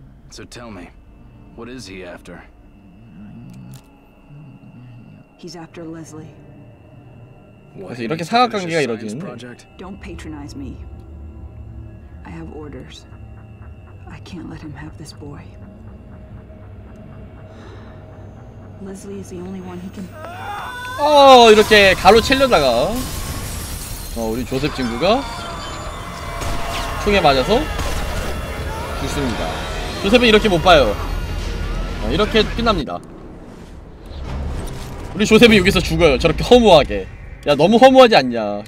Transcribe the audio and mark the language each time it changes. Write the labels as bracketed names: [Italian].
[English] So tell me, what is he after? He's after Leslie. [Korean] 그래서 이렇게 사각관계가 이루어지는데. [English] Don't patronize me. I have orders. I can't let him have this boy. Leslie is the only one he can. [Korean] 이렇게 가로채려다가 우리 조셉 친구가 총에 맞아서 죽습니다. 조셉은 이렇게 못 봐요. 이렇게 끝납니다. 우리 조셉이 여기서 죽어요. 저렇게 허무하게. 야 너무 허무하지 않냐?